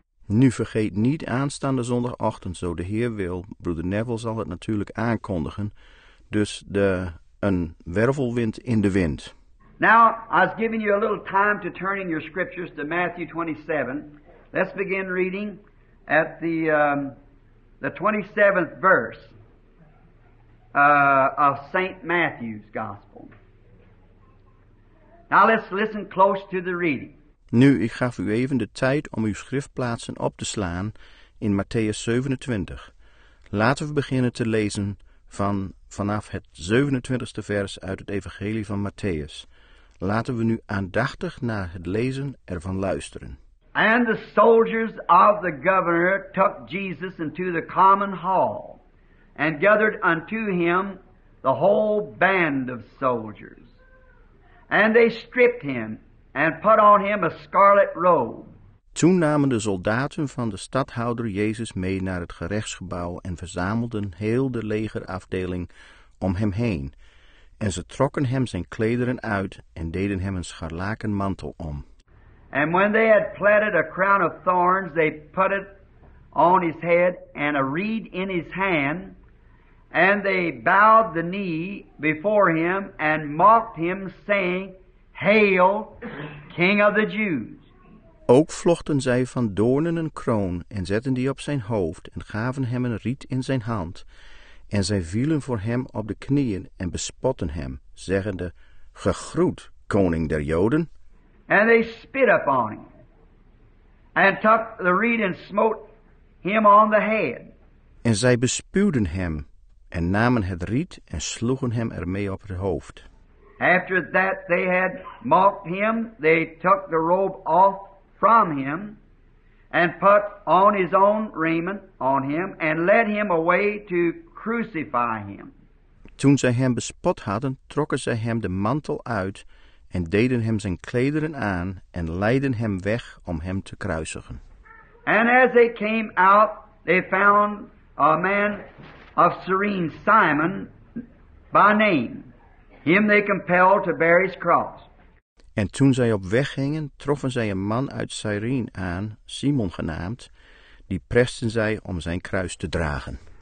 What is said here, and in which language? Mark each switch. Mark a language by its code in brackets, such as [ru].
[nl] Nu vergeet niet, aanstaande zondagochtend, zo de Heer wil, Broeder Neville zal het natuurlijk aankondigen, dus een wervelwind in de wind. [en] Now, I was giving you a little time to turn in your scriptures to Matthew 27. Let's begin reading at the 27th verse of St. Matthew's Gospel. Now let's listen close to the reading. [nl] Nu, ik gaf u even de tijd om uw schriftplaatsen op te slaan in Matthäus 27. Laten we beginnen te lezen vanaf het 27e vers uit het Evangelie van Matthäus. Laten we nu aandachtig naar het lezen ervan luisteren. [en] And the soldiers of the governor took Jesus into the common hall and gathered unto him the whole band of soldiers. And they stripped him and put on him a scarlet robe. [nl] Toen namen de soldaten van de stadhouder Jezus mee naar het gerechtsgebouw en verzamelden heel de legerafdeling om hem heen. En ze trokken hem zijn klederen uit en deden hem een scharlaken mantel om. [en] And when they had plaited a crown of thorns, they put it on his head and a reed in his hand. And they bowed the knee before him and mocked him, saying, Hail, King of the Jews. [nl] Ook vlochten zij van doornen een kroon en zetten die op zijn hoofd en gaven hem een riet in zijn hand. En zij vielen voor hem op de knieën en bespotten hem, zeggende, Gegroet, koning der Joden. [en] And they spit upon him, and took the reed and smote him on the head. [nl] En zij bespuwden hem, en namen het riet en sloegen hem ermee op het hoofd. [en] After that they had mocked him, they took the robe off from him, and put on his own raiment on him, and led him away to crucify him. [nl] Toen zij hem bespot hadden, trokken zij hem de mantel uit, en deden hem zijn klederen aan en leidden hem weg om hem te kruisigen. [en] And as they came out, they found a man of Cyrene, Simon, by name. Him they compelled to bear his cross. [nl] En toen zij op weg gingen, troffen zij een man uit Cyrene aan, Simon genaamd, die presten zij om zijn kruis te dragen.